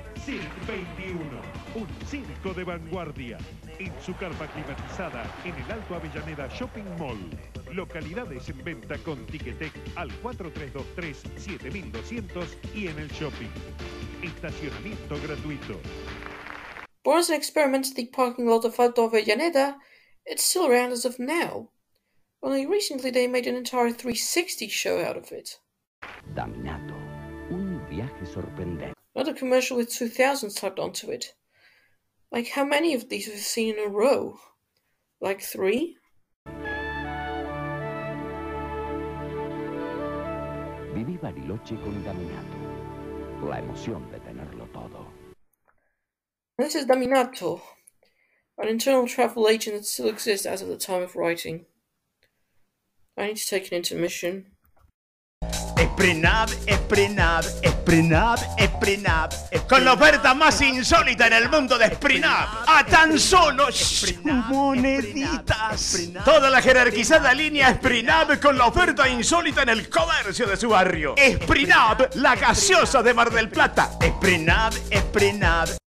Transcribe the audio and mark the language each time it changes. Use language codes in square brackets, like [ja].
[es] Cirque 21, un circo de vanguardia. En su carpa climatizada en el Alto Avellaneda Shopping Mall. Localidades en venta con Ticketek al 4323-7200 y en el shopping. Estacionamiento gratuito. [en] Born as an experiment in the parking lot of Alto Avellaneda, it's still around as of now. Only recently they made an entire 360 show out of it. [es] Dominato, un viaje sorprendente. [en] Another commercial with 2000 slapped onto it. Like, how many of these have you seen in a row? Like three? [es] Viví Bariloche con Dominato. La emoción de tenerlo todo. [en] This is Dominato, an internal travel agent that still exists as of the time of writing. I need to take an intermission. [es] Hey, Esprinab, esprinab, esprinab, esprinab. Con la oferta más insólita en el mundo de esprinab. A tan solo moneditas. Toda la jerarquizada línea esprinab con la oferta insólita en el comercio de su barrio. Esprinab, la gaseosa de Mar del Plata. Esprinab, esprinab.